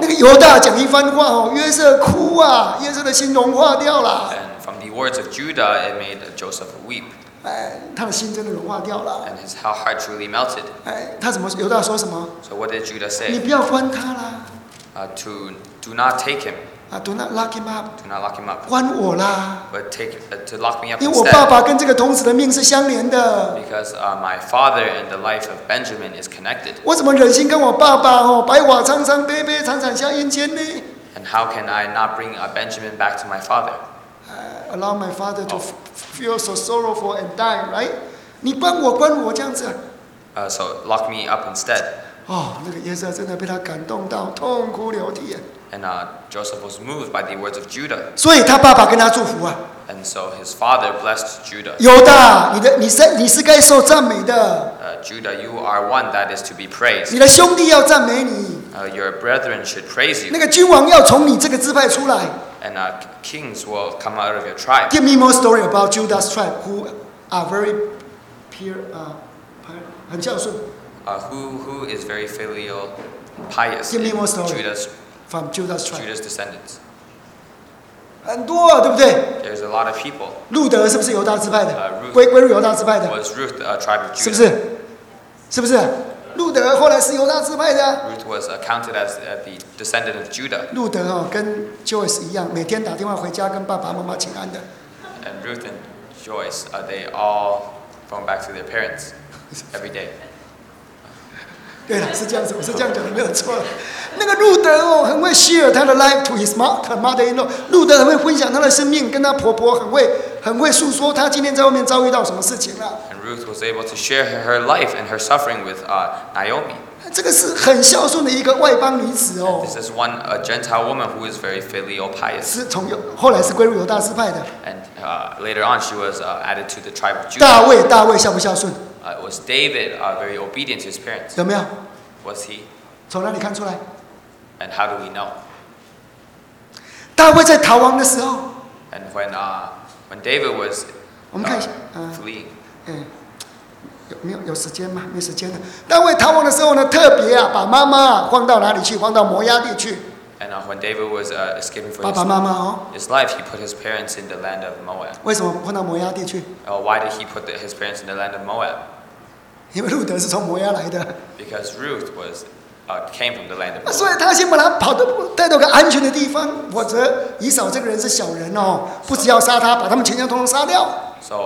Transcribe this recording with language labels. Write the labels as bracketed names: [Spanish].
[Chinese] 那个犹大讲一番话哦，约瑟哭啊，约瑟的心融化掉了。 [English] And from the words of Judah, it made Joseph weep. [Chinese] 他的心真的融化掉了。 [English] And his heart truly melted. [Chinese] 他怎么犹大说什么 [English] ？So what did Judah say? [Chinese] 你不要关他啦。 [English] Do not take him. Do not lock him up. Do not lock him up. [Chinese] 关我啦。 [English] But take to lock me up. [Chinese] 因为我爸爸跟这个童子的命是相连的。 [English] Because my father and the life of Benjamin is connected. [Chinese] 我怎么忍心跟我爸爸哦，白瓦苍苍，杯杯盏盏下阴间呢 [English] ？And how can I not bring Benjamin back to my father? Allow my father to feel so sorrowful and die, right? [Chinese] 你关我，关我这样子。 [English] So lock me up instead. [Chinese] 哦，那个约瑟真的被他感动到痛哭流涕。 [English] And Joseph was moved by the words of Judah. [Chinese] 所以他爸爸跟他祝福啊。 [English] And so his father blessed Judah. [Chinese] 犹大，你是该受赞美的。 [English] Judah, you are one that is to be praised. [Chinese] 你的兄弟要赞美你。 [English] Your brethren should praise you. [Chinese] 那个君王要从你这个支派出来。 [English] And kings will come out of your tribe. Give me more story about Judah's tribe, who are very pure, [Chinese] 很孝顺。 [English] Who is very filial, pious? Give me more story. Judah's from Judah's tribe. Judah's descendants. [Chinese] 很多、啊，对不对 [English] ？There's a lot of people. [Chinese] 路德是不是犹大支派的？ [English] Ruth [Chinese] 归入犹大支派的。 [English] Was Ruth a tribe of Judah? [Chinese] 是不是？是不是？路德后来是犹大支派的、啊。 [English] Ruth was accounted as the descendant of Judah. [Chinese] 路德、哦、跟 Joyce 一样，每天打电话回家跟爸爸妈妈请安的。 [English] And Ruth and Joyce, are they all phone back to their parents every day? [Chinese] 对了，是这样子，我是这样讲的，没有错。那个路德、哦、很会 share 他的 [English] life to his mother-in-law. [Chinese] 路德很会分享他的生命，跟他婆婆很会诉说他今天在外面遭遇到什么事情了、啊。 [English] Ruth was able to share her life and her suffering with Naomi. [Chinese] 这个是很孝顺的一个外邦女子哦。 [English] This is one a Gentile woman who is very filial pious. [Chinese] 是从后来是归入犹大支派的。 [English] And later on, she was added to the tribe of Judah. [Chinese] 大卫孝不孝顺 [English] ？Was David very obedient to his parents? [Chinese] 有没有 [English] ？Was he? [Chinese] 从哪里看出来 [English] ？And how do we know? [Chinese] 大卫在逃亡的时候 [English] ，And when David was, [Chinese] 我们看一下 [English] fleeing. [Chinese] 有时间吗？没时间了。大卫逃亡的时候呢，特别啊，把妈妈放到哪里去？放到摩押地去。 [English] And when David was escaping from [Chinese] 爸爸妈妈哦 [English] ，his life, he put his parents in the land of Moab. [Chinese] 为什么放到摩押地去 [English] ？Why did he put his parents in the land of Moab? [Chinese] 因为路德是从摩押来的。 [English] Because Ruth was came from the land of Moab. [Chinese] 所以他先把他跑到带到个安全的地方，否则以扫这个人是小人哦，不只要杀他，把他们全家统统杀掉。